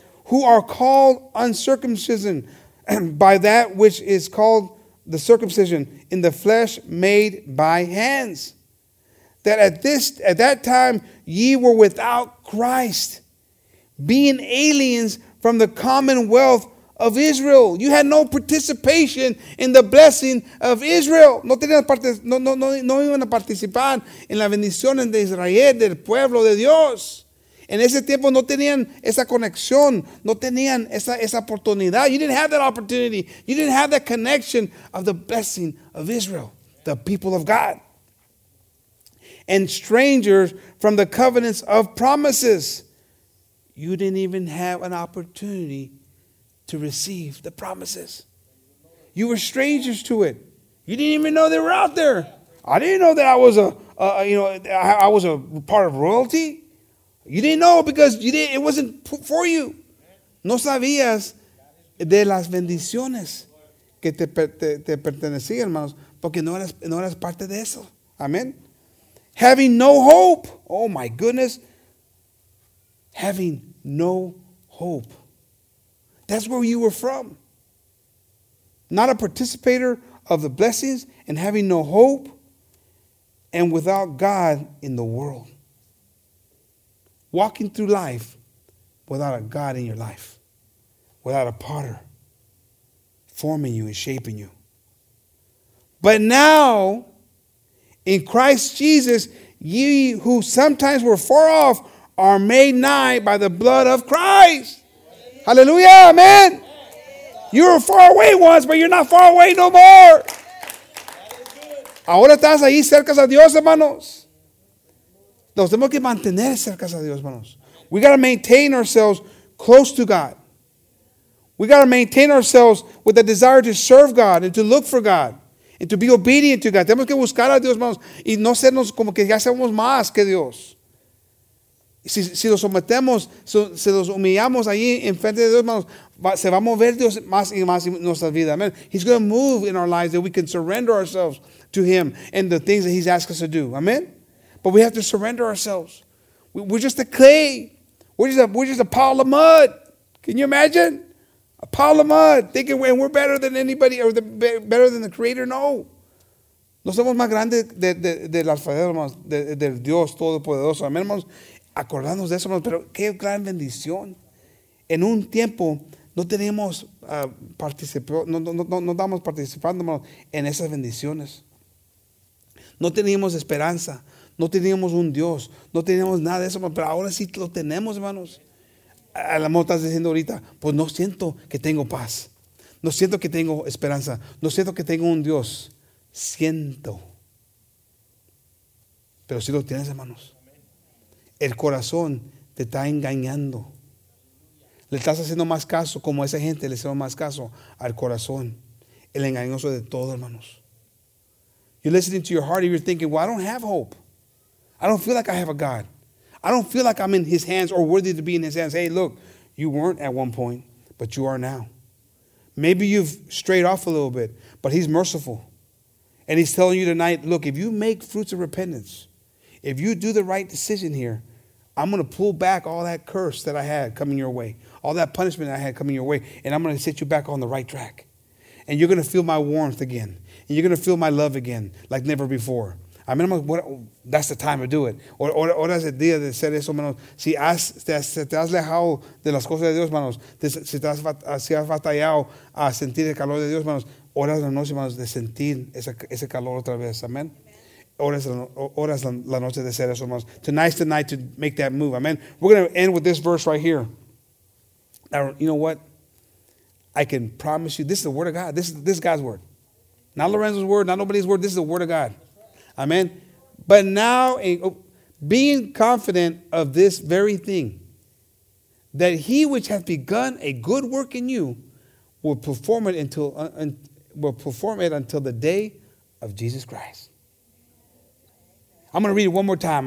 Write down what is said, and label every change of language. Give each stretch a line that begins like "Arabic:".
English: Who are called uncircumcision by that which is called the circumcision in the flesh made by hands. That at that time ye were without Christ, being aliens from the commonwealth of Israel. You had no participation in the blessing of Israel.
Spanish: No tenían parte, no iban a participar en la bendición de Israel, del pueblo de Dios. En ese tiempo no tenían esa conexión, no tenían esa oportunidad.
English: You didn't have that opportunity. You didn't have that connection of the blessing of Israel, the people of God. And strangers from the covenants of promises. You didn't even have an opportunity to receive the promises. You were strangers to it. You didn't even know they were out there. I didn't know that I was a part of royalty. You didn't know because it wasn't for you.
Spanish: No sabías de las bendiciones que te pertenecían, hermanos, porque no eras parte de eso.
English: Amen. Having no hope. Oh my goodness. Having no hope. That's where you were from. Not a participator of the blessings and having no hope and without God in the world. Walking through life without a God in your life. Without a potter forming you and shaping you. But now, in Christ Jesus, ye who sometimes were far off are made nigh by the blood of Christ. Hallelujah, amen. You were far away once, but you're not far away no more.
Spanish: Ahora estás ahí cerca de Dios, hermanos. Nos tenemos que mantener cerca de Dios, hermanos.
English: We got to maintain ourselves close to God. We got to maintain ourselves with the desire to serve God and to look for God and to be obedient to God.
Spanish: Tenemos que buscar a Dios, hermanos, y no sernos como que ya somos más que Dios. Si lo sometemos, si los humillamos ahí en frente de Dios, hermanos, se va a mover Dios más y más en nuestra vida. Amen.
English: He's going to move in our lives that we can surrender ourselves to Him and the things that He's asked us to do. Amen. But we have to surrender ourselves. We're just a clay. We're just a pile of mud. Can you imagine? A pile of mud. Thinking we're better than anybody or better than the Creator. No.
Spanish: No somos más grandes del alfarero, del Dios Todopoderoso. Amén, hermanos. Acordarnos de eso, hermanos. Pero qué gran bendición. En un tiempo no tenemos no estamos participando, hermanos, en esas bendiciones. No teníamos esperanza. No teníamos un Dios. No teníamos nada de eso, hermanos. Pero ahora sí lo tenemos, hermanos. A lo mejor estás diciendo ahorita, pues no siento que tengo paz. No siento que tengo esperanza. No siento que tengo un Dios. Siento. Pero sí lo tienes, hermanos. El corazón te está engañando. Le estás haciendo más caso, como a esa gente le hicieron más caso al corazón. El engañoso de todo, hermanos.
English: You're listening to your heart and you're thinking, well, I don't have hope. I don't feel like I have a God. I don't feel like I'm in His hands or worthy to be in His hands. Hey, look, you weren't at one point, but you are now. Maybe you've strayed off a little bit, but He's merciful. And He's telling you tonight, look, if you make fruits of repentance, if you do the right decision here, I'm going to pull back all that curse that I had coming your way, all that punishment I had coming your way, and I'm going to set you back on the right track. And you're going to feel my warmth again. And you're going to feel my love again like never before. I mean, that's the time to do it.
Spanish: Ahora es el día de hacer eso, hermanos. Si te has alejado de las cosas de Dios, hermanos, si has batallado a sentir el calor de Dios, hermanos, ahora es la noche, hermanos, de sentir ese calor otra vez. Amen. Ahora es la noche de hacer eso, hermanos.
English: Tonight's the night to make that move. Amen. We're going to end with this verse right here. Now, you know what? I can promise you, this is the word of God. This is God's word. Not Lorenzo's word, not nobody's word. This is the word of God. Amen. But now, being confident of this very thing, that He which hath begun a good work in you will perform it until the day of Jesus Christ. I'm going to read it one more time.